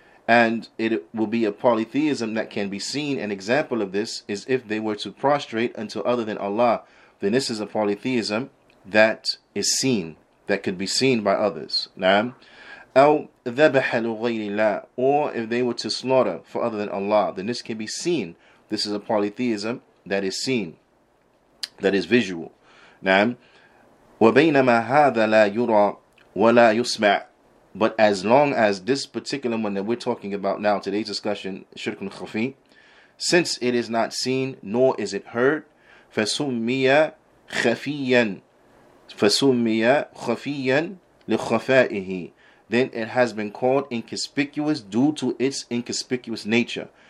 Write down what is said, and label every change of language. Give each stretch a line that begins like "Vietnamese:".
English: And it will be a polytheism that can be seen. An example of this is if they were to prostrate unto other than Allah, then this is a polytheism that is seen, that could be seen by others.
Arabic: أو ذبح لغير الله,
English: or if they were to slaughter for other than Allah, then this can be seen. This is a polytheism that is seen, that is visual.
Arabic: وبينما هذا لا يرى ولا يسمع.
English: But as long as this particular one that we're talking about now, today's discussion, shirk al-khafi, since it is not seen, nor is it heard,
Arabic: فَسُمِّيَ خَفِيًّا فَسُمِّيَ خَفِيًّا لِخَفَائِهِ,
English: then it has been called inconspicuous due to its inconspicuous nature.